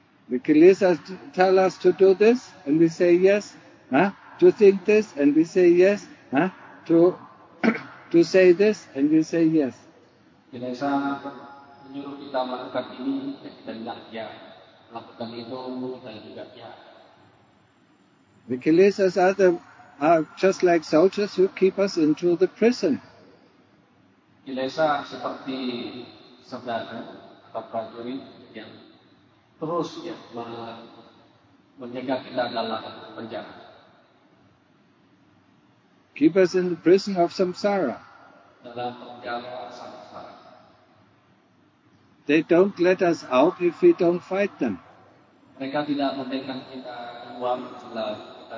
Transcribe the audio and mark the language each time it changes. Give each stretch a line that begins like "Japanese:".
English: The kilesa tell us to do this, and we say yes. Huh? To think this, and we say yes. Huh? To say this, and we say yes.
Indonesian: Kilesa menyuruh kita melakukan ini dan tidak ya. Lakukan itu dan juga ya.
English: The Kilesas are just like soldiers who keep us into the prison.
Indonesian: Kilesa seperti saudara atau prajurit yang terus ya menjaga kita dalam penjara.
English: Keep us in the prison of samsara.
Indonesian: Dalam penjara samsara.
English: They don't let us out if we don't fight them.
Indonesian: Mereka tidak membiarkan kita keluar setelah